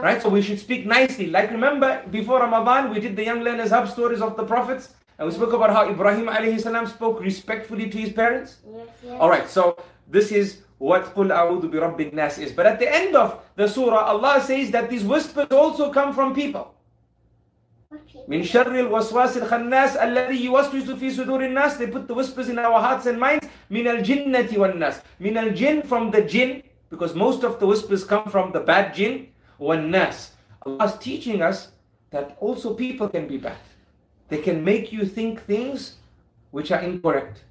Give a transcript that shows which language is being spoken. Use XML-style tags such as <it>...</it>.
<en>Right? So we should speak nicely. Like remember, before Ramadan, we did the Young Learners Hub stories of the prophets. And we spoke about how Ibrahim alayhi salam spoke respectfully to his parents. Yes. Alright, so this is what</en> <ar>قُلْ أَعُوذُ بِرَبِّ النَّاسِ</ar> <en>is. But at the end of the surah, Allah says that these whispers also come from people.</en> <ar>من شر الوسواس الخناس الذي يوسوس في صدور الناس.</ar> <en>They put the whispers in our hearts and minds.</en> <ar>من الجنة والناس. من الجن,</ar> <en>from the jinn, because most of the whispers come from the bad jinn,</en> <ar>والناس.</ar> <en>Allah is teaching us that also people can be bad. They can make you think things which are incorrect.</en>